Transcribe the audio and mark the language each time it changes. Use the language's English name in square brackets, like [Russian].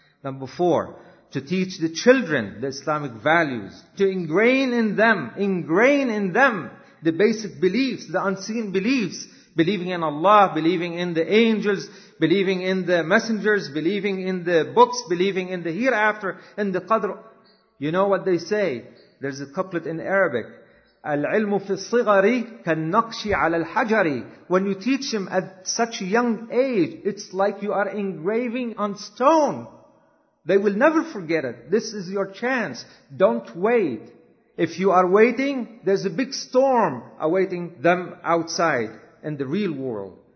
[English] Number four, to teach the children the Islamic values, to ingrain in them the basic beliefs, the unseen beliefs, believing in Allah, believing in the angels, believing in the messengers, believing in the books, believing in the hereafter, in the qadr. You know what they say? There's a couplet in Arabic. [Arabic] العلم في الصغر كالنقش على الحجر. [English] When you teach him at such a young age, it's like you are engraving on stone. They will never forget it. This is your chance. Don't wait. If you are waiting, there's a big storm awaiting them outside in the real world.